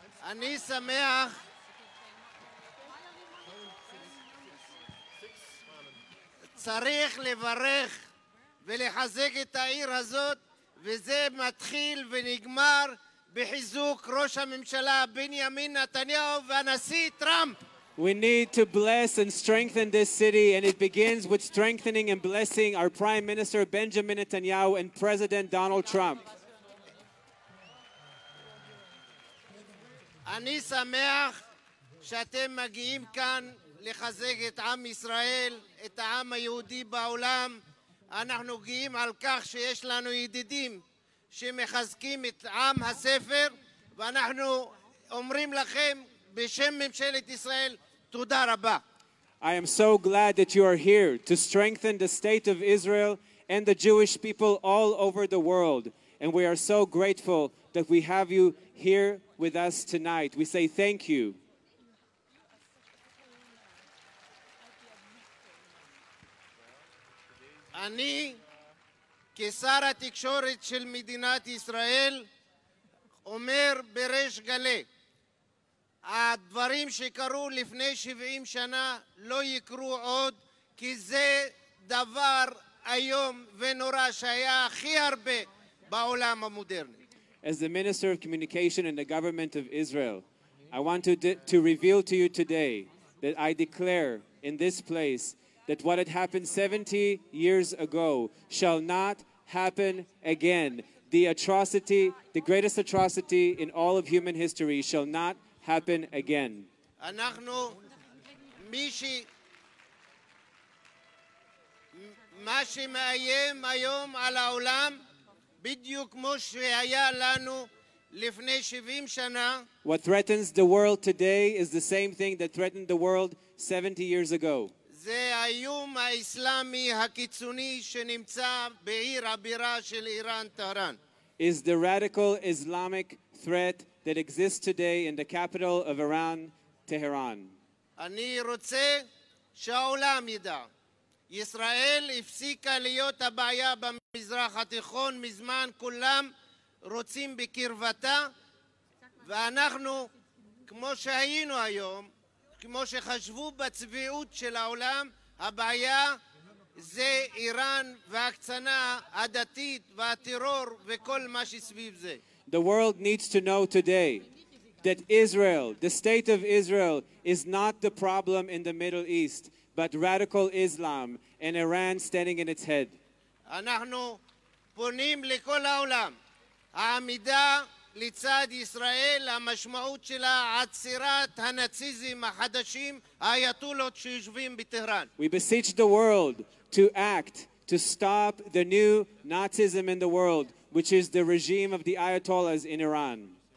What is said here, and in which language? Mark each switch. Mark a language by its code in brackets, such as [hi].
[he] אני שמח צריך לברך ולחזק את העיר הזאת, וזה מתחיל ונגמר בחיזוק ראש הממשלה בנימין נתניהו והנשיא טראמפ. [en] We need to bless and strengthen this city, and it begins with strengthening and blessing our Prime Minister Benjamin Netanyahu and President Donald Trump. [he] אני שמח שאתם מגיעים כאן לחזק את עם ישראל, את העם היהודי בעולם. אנחנו גאים על כך שיש לנו ידידים שמחזקים את עם הספר, ואנחנו אומרים לכם בשם ממשלת ישראל, תודה רבה. [en] I am so glad that you are here to strengthen the state of Israel and the Jewish people all over the world. And we are so grateful that we have you here with us tonight. We say thank you. [he] אני כשר התקשורת של מדינת ישראל אומר בריש גלי, הדברים שקרו לפני 70 שנה לא יקרו עוד, כי זה דבר היום ונורא שהיה הכי הרבה בעולם המודרני. [en] As the Minister of Communication and the Government of Israel, I want to reveal to you today that I declare in this place that what had happened 70 years ago shall not happen again. The atrocity, the greatest atrocity in all of human history, shall not happen again. [he] אנחנו מישי מה שמאיים היום על העולם בדיוק כמו שהיה לנו לפני 70 שנה. [en] What threatens the world today is the same thing that threatened the world 70 years ago. [he] זה האיום האסלאמי הקיצוני שנמצא בעיר הבירה של איראן, טהרן. [en] Is the radical Islamic threat that exists today in the capital of Iran, Tehran. [he] אני רוצה שהעולם ידע. ישראל הפסיקה להיות הבעיה במזרח התיכון מזמן, כולם רוצים בקרבתה, ואנחנו כמו שהיינו היום, כמו שחשבו בצביעות של העולם, הבעיה זה איראן והקצנה הדתית והטרור וכל מה שסביב זה. [en] The world needs to know today that Israel, the state of Israel, is not the problem in the Middle East, but radical Islam and Iran standing in its head. [he] אנחנו פונים לכל העולם, העמידה לצד ישראל, המשמעות שלה עצירת הנאציזם החדשים, האייתולות שיושבים בטהרן. [en] We beseech the world to act to stop the new Nazism in the world, which is the regime of the Ayatollahs in Iran.